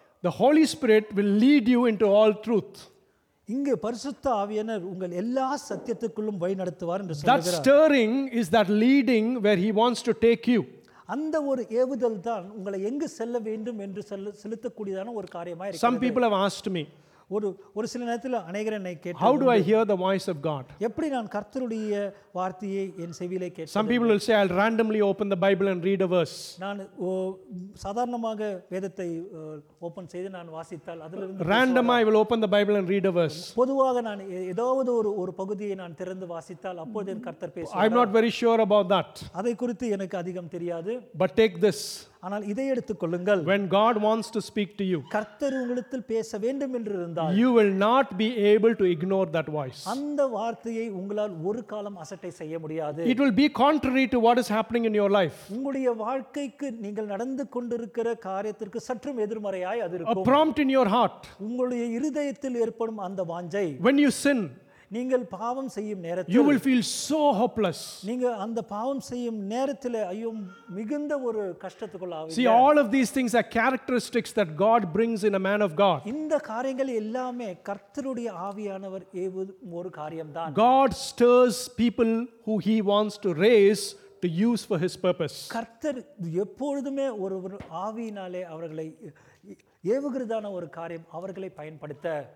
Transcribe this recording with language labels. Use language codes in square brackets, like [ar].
[en] The Holy Spirit will lead you into all truth. [ta] இங்கே பரிசுத்த ஆவியானவர் உங்கள் எல்லா சத்தியத்துக்குள்ளும் வழி நடத்துவார் என்று சொல்கிறார். [en] That stirring is that leading where he wants to take you. [ta] அந்த ஒரு ஏவுதல் தான் உங்களை எங்கு செல்ல வேண்டும் என்று செலுத்தக்கூடியதான ஒரு காரியமாக இருக்கு. [en] Some people have asked me. [ta] ஒரு சில நேரத்தில் அநேகர் என்னை கேட்டார். [en] How do I hear the voice of God? [ta] எப்படி நான் கர்த்தருடைய வார்த்தையை என் செவியிலே கேட்பது? [en] Some people will say I'll randomly open the Bible and read a verse. [ta] நான் சாதாரணமாக வேதத்தை ஓபன் செய்து நான் வாசித்தால் அதிலிருந்து [en] randomly I will open the Bible and read a verse. [ta] பொதுவாக நான் ஏதாவது ஒரு பகுதியை நான் திறந்து வாசித்தால் அப்பொழுது கர்த்தர் பேசுவார். [en] I'm not very sure about that. [ta] அதை குறித்து எனக்கு அதிகம் தெரியாது. [en] But take this. [ta] ஆனால் இதை எடுத்துக் கொள்ளுங்கள். [en] When God wants to speak to you, [ta] கர்த்தர் உங்களிடத்தில் பேச வேண்டும் என்று இருந்தால், [en] you will not be able to ignore that voice. [ta] அந்த வார்த்தையை உங்களால் ஒரு காலம் அசட்டை செய்ய முடியாது. [en] It will be contrary to what is happening in your life. [ta] உங்களுடைய வாழ்க்கைக்கு நீங்கள் நடந்து கொண்டிருக்கிற காரியத்திற்கு சற்றும் எதிர்மறையாய் அது இருக்கும். [en] A prompt in your heart. [ta] உங்களுடைய இருதயத்தில் ஏற்படும் அந்த வாஞ்சை. [en] When you sin, [ta] நீங்கள் பாவம் செய்யும் நேரத்தில் [en] you will feel so hopeless. [ta] நீங்க அந்த பாவம் செய்யும் நேரத்தில் ஐயோ மிகுந்த ஒரு கஷ்டத்துக்குள்ளாக. [en] See, all of these things are characteristics that God brings in a man of God. [ta] இந்த காரியங்கள் எல்லாமே கர்த்தருடைய ஆவியானவர் ஏவும் ஒரு காரியம்தான். [en] God stirs people who he wants to raise to use for his purpose. [ta] கர்த்தர் எப்பொழுதுமே ஒரு ஆவியினாலே அவர்களை ஏவுகிறதான ஒரு காரியம் அவர்களை பயன்படுத்த.